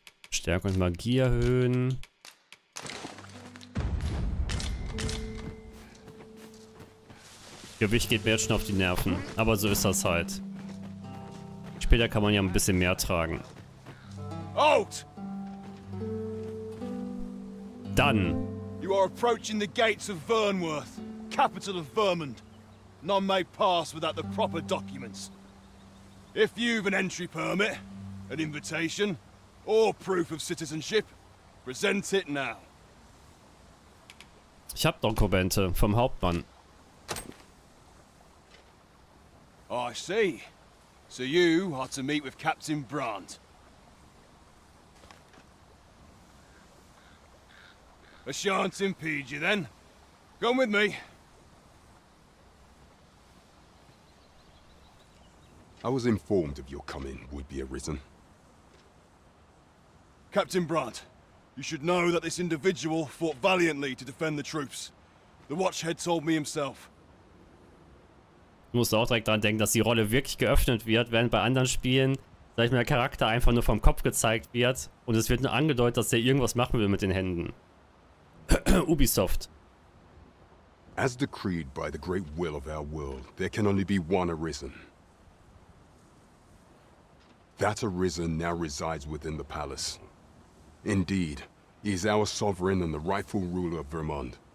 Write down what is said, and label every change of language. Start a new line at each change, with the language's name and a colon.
German: Stärke und Magie erhöhen. Gewicht geht mir jetzt schon auf die Nerven, aber so ist das halt. Später kann man ja ein bisschen mehr tragen. Halt! Dann.
English: You are approaching the gates of Vernworth, capital of Vermund. None may pass without the proper documents. If you've an entry permit, an invitation, or proof of citizenship, present it now.
German: Ich hab Dokumente vom Hauptmann.
English: I see. So you are to meet with Captain Brandt. I shan't impede you then. Come with me. I was informed of your coming would be arisen. Captain Brandt, you should know that this individual fought valiantly to defend the troops. The watchhead told me himself.
German: Du musst auch direkt daran denken, dass die Rolle wirklich geöffnet wird, während bei anderen Spielen, sag ich mal, der Charakter einfach nur vom Kopf gezeigt wird und es wird nur angedeutet, dass der irgendwas machen will mit den Händen. Ubisoft.
English: As decreed by the great will of our world, there can only be one arisen. That arisen now resides within the palace. Indeed, he is our sovereign and the rightful ruler of Vermund.